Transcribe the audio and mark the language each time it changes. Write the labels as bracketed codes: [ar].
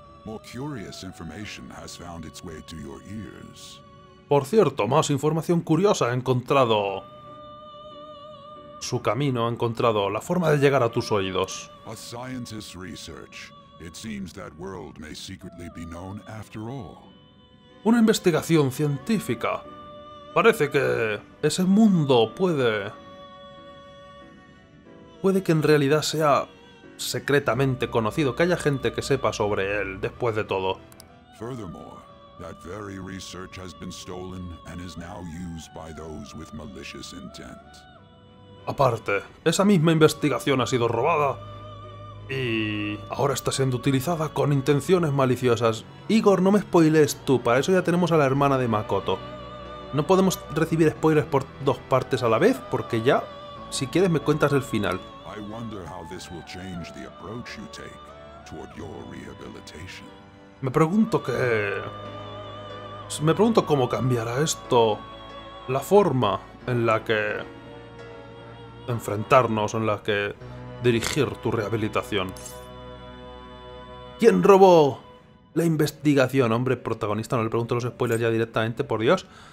[en] More curious information has found its way to your ears. [es] Por cierto, más información curiosa ha encontrado su camino, ha encontrado la forma de llegar a tus oídos. [en] A scientist's research. It seems that world may secretly be known after all. [es] Una investigación científica. Parece que ese mundo puede que en realidad sea secretamente conocido, que haya gente que sepa sobre él, después de todo. [en] Furthermore, that very research has been stolen and is now used by those with malicious intent. [es] Aparte, esa misma investigación ha sido robada y ahora está siendo utilizada con intenciones maliciosas. Igor, no me spoilees tú, para eso ya tenemos a la hermana de Makoto. No podemos recibir spoilers por dos partes a la vez, porque ya, si quieres, me cuentas el final. [en] I wonder how this will change the approach you take toward your rehabilitation. [es] Me pregunto cómo cambiará esto la forma en la que enfrentarnos, en la que dirigir tu rehabilitación. ¿Quién robó la investigación? Hombre, protagonista, no le pregunto los spoilers ya directamente, por Dios.